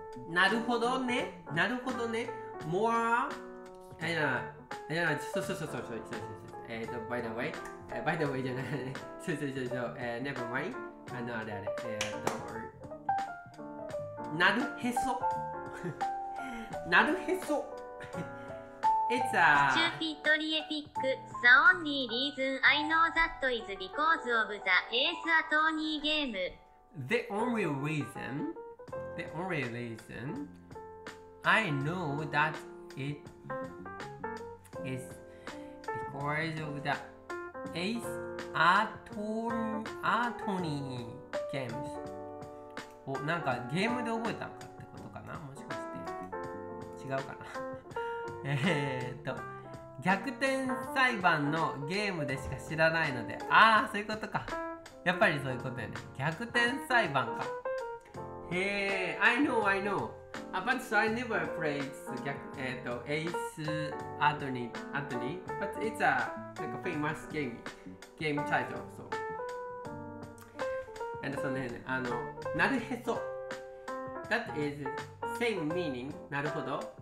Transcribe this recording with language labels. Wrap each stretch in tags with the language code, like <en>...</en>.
<ja>なるほどね、なるほどね。</ja> <en>More. It's a stupidly epic. The only reason I know that is because of the Ace Attorney game. The only reason I know that it is because of the Ace Attorney games.</en> <ja>お、なんかゲームで覚えたのかってことかな？もしかして違うかな？逆転裁判のゲームでしか知らないので、ああそういうことか。やっぱりそういうことよね。逆転裁判か。</ja> <en>へえ、I know but so I never played Ace Attorney but it's a like a famous game title so and</en> <ja>そのね、あのなるへそ</ja> <en>that is same meaning なるほど。</en>